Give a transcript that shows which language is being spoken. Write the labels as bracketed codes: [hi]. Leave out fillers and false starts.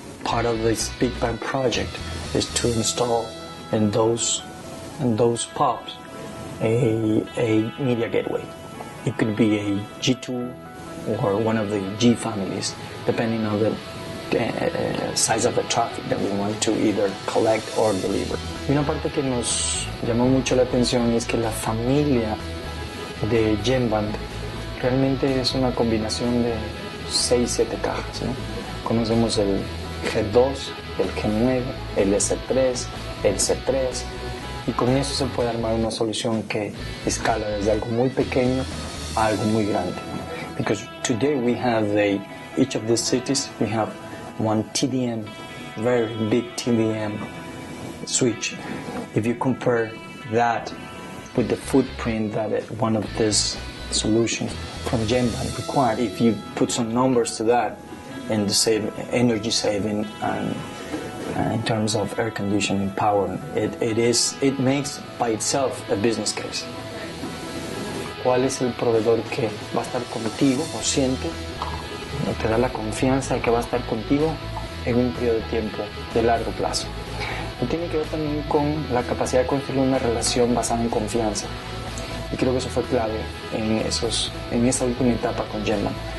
[en] Part of this Big Bang project is to install in those pubs a media gateway. It could be a G2 or one of the G families, depending on the size of the traffic that we want to either collect or deliver. [es] Una parte que nos llamó mucho la atención es que la familia de GENBAND realmente es una combinación de 6-7 cajas, ¿no? Conocemos el G2, el G9, el S3, el C3, y con eso se puede armar una solución que escala desde algo muy pequeño a algo muy grande. [en] Because today we have each of the cities, we have one TDM, very big TDM switch. If you compare that with the footprint that one of these solutions from GENBAND required, if you put some numbers to that and the same energy saving and in terms of air conditioning power, it makes by itself a business case. [es] ¿Cuál es el proveedor que va a estar contigo o siente o te da la confianza de que va a estar contigo en un periodo de tiempo de largo plazo? Y tiene que ver también con la capacidad de construir una relación basada en confianza. Y creo que eso fue clave en esa última etapa con GENBAND.